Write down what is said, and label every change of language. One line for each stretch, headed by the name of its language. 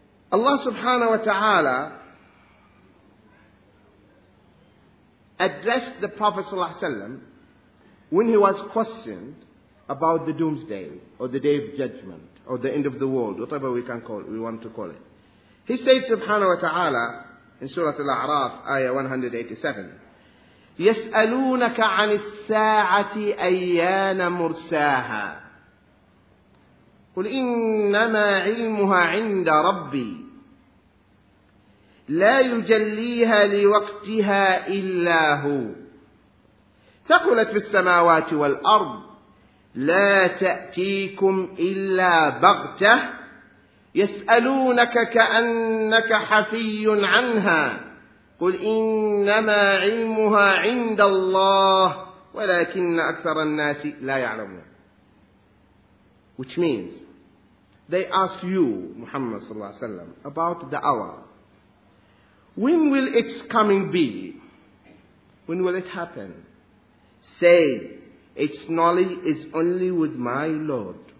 English: Allah subhanahu wa ta'ala addressed the Prophet sallallahu alayhi wa sallam when he was questioned about the doomsday or the day of judgment or the end of the world, whatever we want to call it. He said subhanahu wa ta'ala in Surah Al-A'raf, ayah 187,
Arabic: يَسْأَلُونَكَ عَنِ السَّاعَةِ أَيَّانَ مُرْسَاهَا قُلْ إِنَّمَا عِلْمُهَا عِنْدَ رَبِّي لَا يُجَلِّيهَا لِوَقْتِهَا إِلَّا هُوَ ثَقُلَتْ فِي السَّمَاوَاتِ وَالْأَرْضِ لَا تَأْتِيكُمْ إِلَّا بَغْتَهُ يَسْأَلُونَكَ كَأَنَّكَ حَفِيٌّ عَنْهَا قُلْ إِنَّمَا عِلْمُهَا عِنْدَ اللَّهِ وَلَكِنَّ أَكْثَرَ النَّاسِ لَا يَعْلَمُونَ.
English: Which means, they ask you, Muhammad sallallahu alayhi wa sallam, about the hour. When will its coming be? When will it happen? Say, its knowledge is only with my Lord.